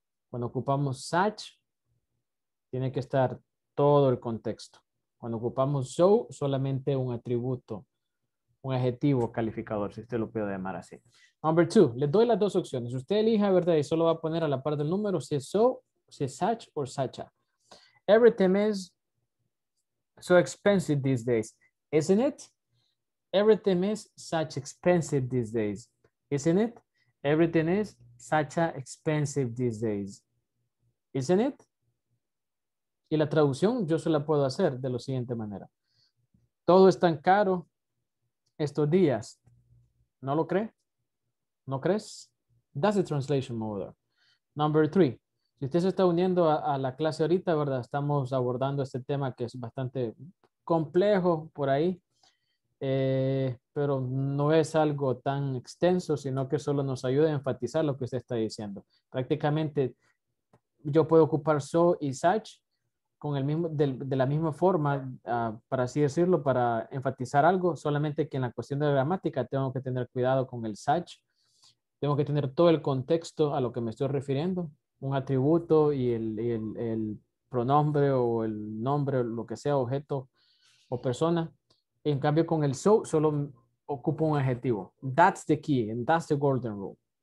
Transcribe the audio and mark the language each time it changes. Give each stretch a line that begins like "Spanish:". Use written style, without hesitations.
Spanish: Cuando ocupamos such, tiene que estar todo el contexto. Cuando ocupamos so, solamente un atributo, un adjetivo calificador, si usted lo puede llamar así.
English: Number two,
Spanish: le doy las dos opciones. Usted elija, ¿verdad? Y solo va a poner a la par del número si es so, si es such o sacha.
English: Everything is so expensive these days, isn't it? Everything is such expensive these days, isn't it? Everything is such expensive these days, isn't it?
Spanish: Y la traducción yo se la puedo hacer de la siguiente manera. Todo es tan caro estos días. ¿No lo cree? ¿No crees?
English: That's the translation mode. Number three.
Spanish: Si usted se está uniendo a la clase ahorita, ¿verdad? Estamos abordando este tema que es bastante complejo por ahí. Pero no es algo tan extenso, sino que solo nos ayuda a enfatizar lo que usted está diciendo. Prácticamente yo puedo ocupar so y such con el mismo, de la misma forma, para así decirlo, para enfatizar algo, solamente que en la cuestión de la gramática tengo que tener cuidado con el such, tengo que tener todo el contexto a lo que me estoy refiriendo, un atributo y el pronombre o el nombre, lo que sea, objeto o persona. En cambio, con el so, solo ocupo un adjetivo.
English: That's the key, and that's the golden rule.